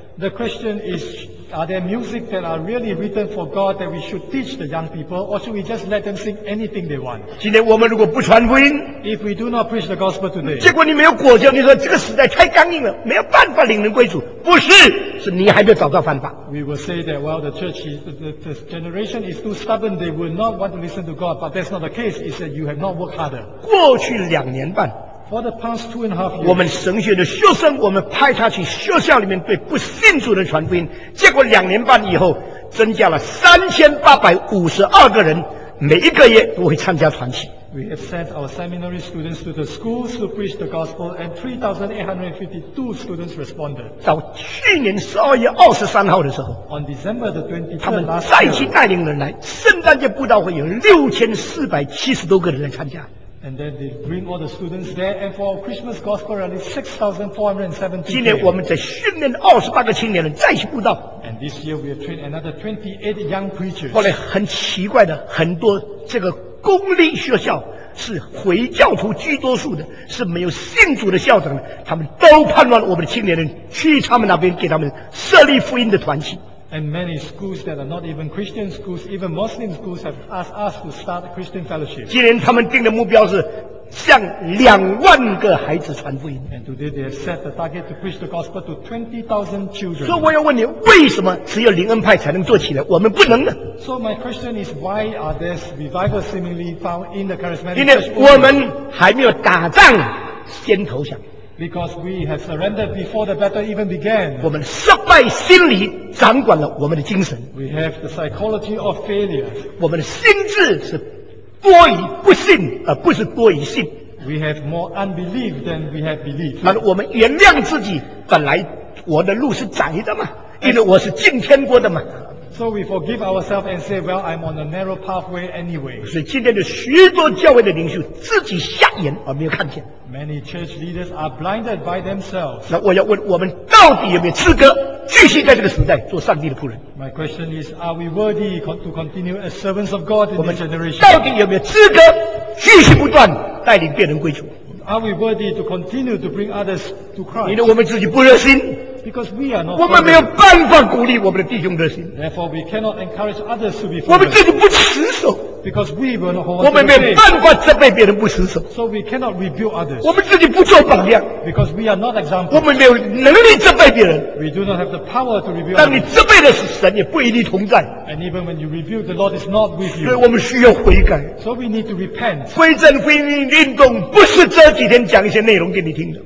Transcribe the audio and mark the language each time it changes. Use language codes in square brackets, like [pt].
[en] The question is, are there music that are really written for God that we should teach the young people, or should we just let them sing anything they want? [zh] 今天我们如果不传福音， [en] if we do not preach the gospel today, [zh] 结果你没有果效，你说这个时代太刚硬了，没有办法领人归主，不是，是你还没有找到方法。 [en] We will say that while the church is, the generation is too stubborn, they will not want to listen to God, but that's not the case, it's that you have not worked harder. [zh] 过去两年半， [en] For the past two and a half years, [zh] 我们神学的学生，我们派他去学校里面对不信主的传福音，结果两年半以后增加了3852个人，每一个月都会参加团契。 [en] We have sent our seminary students to the schools to preach the gospel, and 3,852 students responded. [zh] 到去年12月23号的时候 [en] ，On December the 23rd, [zh] 他们再去带领人来圣诞节布道会，有6470多个人来参加。 [en] And then they bring all the students there, and for our Christmas gospel rally, 6,470. [zh] 今年我们在训练28个青年人再去布道。 [en] And this year we have trained another 28 young preachers. [zh] 后来很奇怪的，很多这个公立学校是回教徒居多数的，是没有信主的校长的，他们都盼望我们的青年人去他们那边给他们设立福音的团契。 [en] And many schools that are not even Christian schools, even Muslim schools have asked us to start a Christian fellowship. [zh] 今年他们定的目标是向20,000个孩子传福音。 [en] And today they have set the target to preach the gospel to 20,000 children. [zh] 所以我要问你，为什么只有灵恩派才能做起来，我们不能呢？ [en] So my question is, why are these revivals seemingly found in the charismatic church? [zh] 因为我们还没有打仗先投降。 [en] Because we have surrendered before the battle even began. [zh] 我们失败心理掌管了我们的精神。 [en] We have the psychology of failure. [zh] 我们的心智是多于不信，而不是多于信。 [en] We have more unbelief than we have belief. [zh] 那我们原谅自己，本来我的路是窄的嘛，因为我是进天国的嘛。 [en] So we forgive ourselves and say, well, I'm on a narrow pathway anyway. [zh] 所以今天的许多教会的领袖自己瞎眼而没有看见。 [en] Many church leaders are blinded by themselves. [zh] 那我要问我们到底有没有资格继续在这个时代做上帝的仆人？ [en] My question is, are we worthy to continue as servants of God in this generation? [zh] 我们到底有没有资格继续不断带领别人归主？ [en] Are we worthy to continue to bring others to Christ? [zh] 因为我们自己不热心。 [en] Because we are not [zh] 我们没有办法鼓励我们的弟兄热心。 [en] Therefore, we cannot encourage others to be. [zh] 我们自己不持守。 [en] Because we will not hold. [zh] 我们没有办法责备别人不持守。 [en] So we cannot rebuild others. [zh] 我们自己不做榜样。 [en] Because we are not example. [zh] 我们没有能力责备别人。 [en] We do not have the power to rebuild. [zh] 当你责备的是神，也不一定同在。 [en] And even when you rebuild, the Lord is not with you. [zh] 所以我们需要悔改。 [en] So we need to repent. [zh] 归正归命运动不是这几天讲一些内容给你听的。